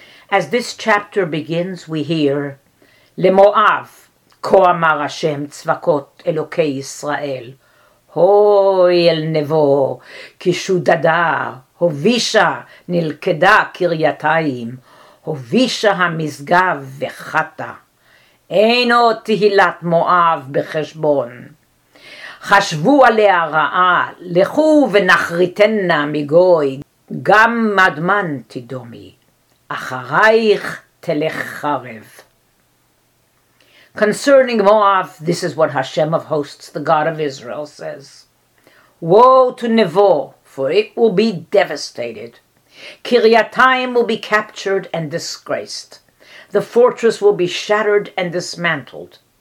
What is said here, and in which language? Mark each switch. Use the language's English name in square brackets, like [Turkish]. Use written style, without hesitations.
[English] As this chapter begins, we hear, [Hebrew] Lemoav, ko amar Hashem tzvakot Elokei Yisrael, hoi el nevo, kishudada, הובישה נלכדה קרייתיים, הובישה המשגב וחטה. אינו תהילת מואב בחשבון. חשבו עליה רעה, לכו ונחריתנה מגוי, גם מדמן תדומי, אחרייך תלך חרב. [English] Concerning Moab, this is what Hashem of hosts, the God of Israel, says. Woe to Nevo, for it will be devastated. Kiryataim will be captured and disgraced. The fortress will be shattered and dismantled.